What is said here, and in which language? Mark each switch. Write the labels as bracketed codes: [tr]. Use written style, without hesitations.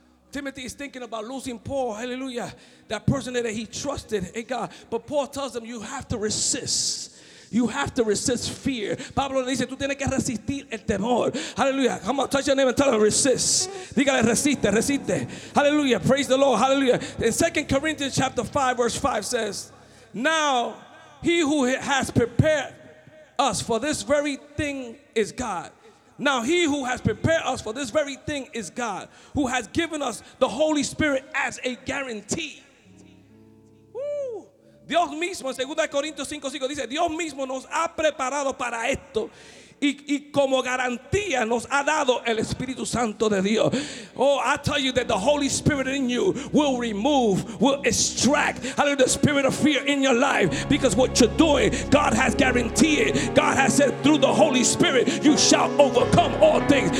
[en] Timothy is thinking about losing Paul, hallelujah, that person that he trusted in God. But Paul tells him, you have to resist. You have to resist fear. [es] Pablo le dice, tú tienes que resistir el temor. [en] Hallelujah. Come on, touch your name and tell him, resist. [es] Dígale, resiste, resiste. Hallelujah. [en] Praise the Lord. [es] Hallelujah. [en] In 2 Corinthians chapter 5, verse 5 says, now he who has prepared us for this very thing is God. Now he who has prepared us for this very thing is God, who has given us the Holy Spirit as a guarantee. Woo. [es] Dios mismo, 2 Corintios 5, 5, dice, Dios mismo nos ha preparado para esto y como garantía nos ha dado el Espíritu Santo de Dios. [en] Oh, I tell you that the Holy Spirit in you will remove, will extract out of the spirit of fear in your life, because what you're doing, God has guaranteed it. God has said through the Holy Spirit you shall overcome all things.